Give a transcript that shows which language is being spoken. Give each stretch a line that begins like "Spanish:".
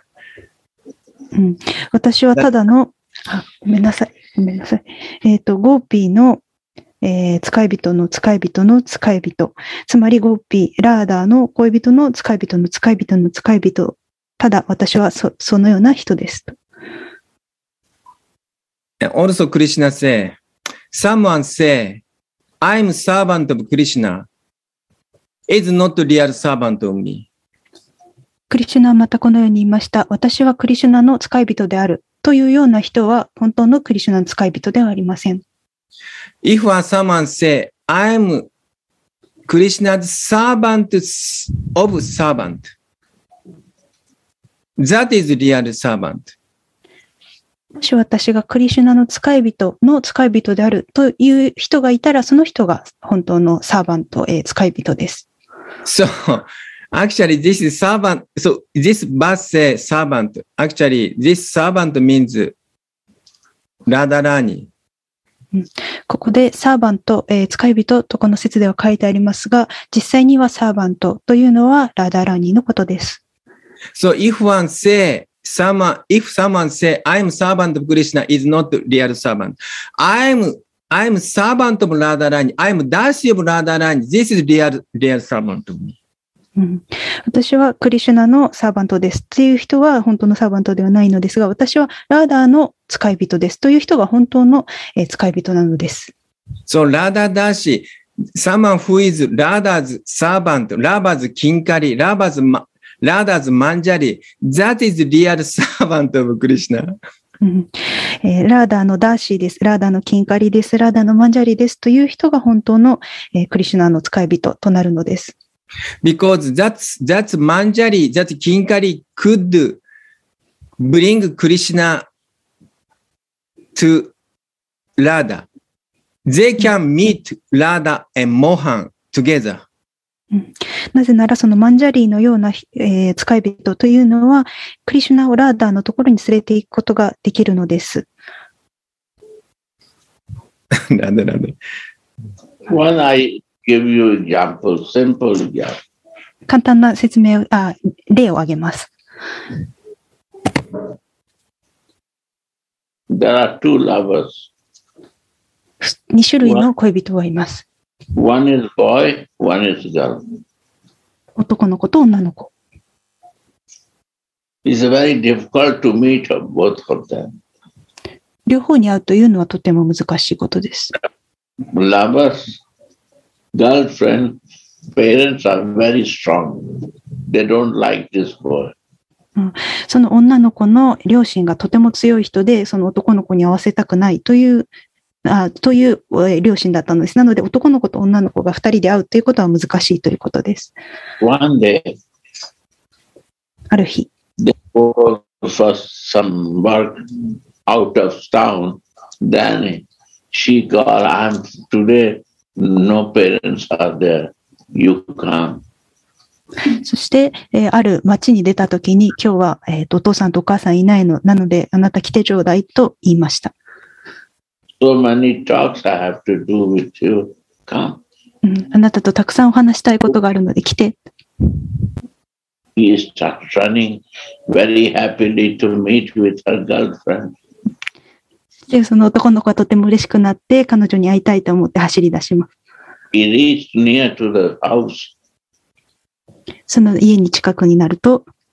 Japanese: 、うん、私はただの、ごめんなさい、ごめんなさい。ゴーピーの、使い人の使い人の使い人。つまりゴーピー、ラーダーの恋人の使い人の使い人の使い人。ただ私は そのような人です。
English: Also, Krishna say,Someone say, I'm servant of Krishna. Is not real servant of me.
Japanese: Krishna はまたこのように言いました。私はクリシュナの使い人である。というような人は本当のクリシュナの使い人ではありません。
English: If someone say, I'm Krishna's servant of servant. That is real servant.
Japanese: もし私がクリシュナの使い人の使い人であるという人がいたら、その人が本当のサーバント、使い人です。
English: So, actually, this is servant. So, this verse says servant. Actually, this servant means Radharani.
Japanese: ここでサーバント、使い人とこの説では書いてありますが、実際にはサーバントというのはラダラーニのことです。
English: So, if one say,If someone say, I'm servant of Krishna is not real servant. I'm servant of Radharani. I'm Dasi of Radharani. This is real servant to me.、
Japanese: うん、私はクリシュナのサーバントです。という人は本当のサーバントではないのですが、私はラーダーの使い人です。という人が本当の、使い人なのです。
English: So, Radha Dasi, someone who is Radha's servant, Radha's Kinkari, Radha's Ma-Radha's Manjari, that is real servant of Krishna.
Japanese: Radha のダーシーです。Radha のキンカリです。Radha のマンジャリです。という人が本当の、クリシュナの使い人となるのです。
English: Because that's Manjari, that Kinkari could bring Krishna to Radha. They can meet Radha and Mohan together.
Japanese: なぜならそのマンジャリーのような、使い人というのはクリシュナをラーダーのところに連れていくことができるのです。なんでなんで。
English: When I give you example, simple example.
Japanese: 簡単な説明を、例を挙げます。
English: There are two lovers.
Japanese: 二種類の恋人がいます。
English: One is boy, one is girl.
Japanese: 男の子と女の子。
English: It's very difficult to meet both of them.
Japanese: 両方に会うというのはとても難しいことです。
English: Lovers, girlfriend, parents are very strong. They don't like this boy.
Japanese: その女の子の両親がとても強い人で、その男の子に会わせたくないという。という両親だったのです。なので男の子と女の子が2人で会うということは難しいということです。
English: One day,
Japanese: ある日、
English: they go for some work out of town. Then she call, I'm today, no parents are there. You come.
Japanese: そして、ある町に出たときに、今日は、お父さんとお母さんいないの。なので、あなた来てちょうだいと言いました。
English: So many talks I have to do with you. Come.
Japanese: あなたとたくさんお話したいことがあるので来て。
English: He is running very happily to meet with her girlfriend.
Japanese: で、その男の子はとても嬉しくなって、彼女に会いたいと思って走り出します。
English: He reached near to the house.
Japanese: その家に近くになると。